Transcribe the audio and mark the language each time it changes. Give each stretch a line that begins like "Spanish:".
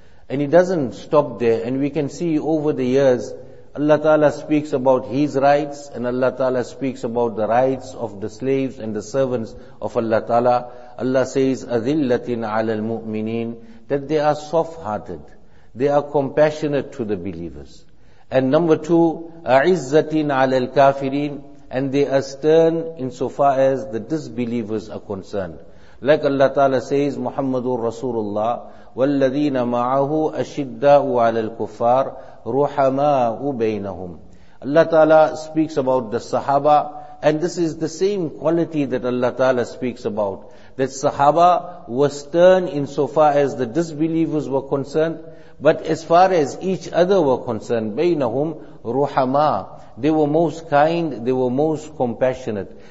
English: And it doesn't stop there. And we can see over the years, Allah Ta'ala speaks about His rights, and Allah Ta'ala speaks about the rights of the slaves and the servants of Allah Ta'ala. Allah says,
Arabic: أَذِلَّةٍ عَلَى الْمُؤْمِنِينَ,
English: that they are soft-hearted. They are compassionate to the believers. And number two,
Arabic: أَعِزَّةٍ عَلَى الْكَافِرِينَ,
English: and they are stern insofar as the disbelievers are concerned. Like Allah Ta'ala says, Muhammadur Rasulullah,
Arabic: وَالَّذِينَ مَعَهُ أَشِدَّاءُ عَلَى الْكُفَّارِ رُحَمَاءُ بَيْنَهُمْ.
English: Allah Ta'ala speaks about the Sahaba, and this is the same quality that Allah Ta'ala speaks about. That Sahaba was stern insofar as the disbelievers were concerned, but as far as each other were concerned,
Arabic: بَيْنَهُمْ رُحَمَا,
English: they were most kind, they were most compassionate.